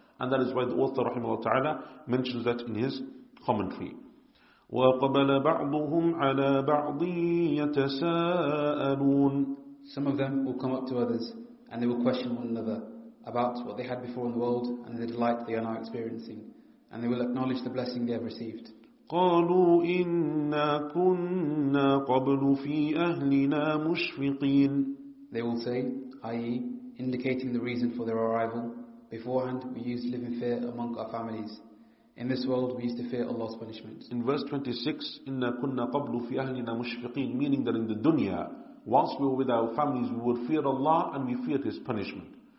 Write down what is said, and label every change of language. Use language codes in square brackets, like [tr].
[en] And that is why the author, rahimahullah ta'ala, mentions that in his commentary. [ar] وَقَبَلَ بَعْضُهُمْ عَلَى بَعْضٍ يَتَسَاءَلُونَ. [en] Some of them will come up to others, and they will question one another, about what they had before in the world and the delight they are now experiencing, and they will acknowledge the blessing they have received. [ar] قالوا إنا كنا قبل في أهلنا مشفقين. [en] They will say, i.e., indicating the reason for their arrival, beforehand we used to live in fear among our families. In this world we used to fear Allah's punishment. In verse 26, [ar] إنا كنا قبل في أهلنا مشفقين, [en] meaning that in the dunya, whilst we were with our families, we would fear Allah and we feared His punishment.